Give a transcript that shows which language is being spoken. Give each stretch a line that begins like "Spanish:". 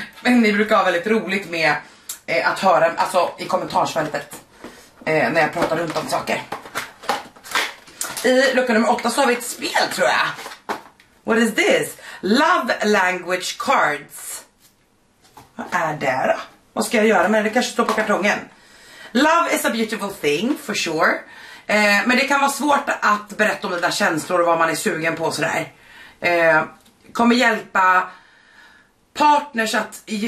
Swedish: Men ni brukar ha väldigt roligt med att höra, alltså i kommentarsfältet, när jag pratar runt om saker. I lucka nummer 8 så har vi ett spel, tror jag.
English: What is this?
Swedish: Love language cards. Vad är det då? Vad ska jag göra med det? Det kanske står på kartongen.
English: Love is a beautiful thing, for sure.
Swedish: Men det kan vara svårt att berätta om dina känslor och vad man är sugen på och sådär. Kommer hjälpa partners att...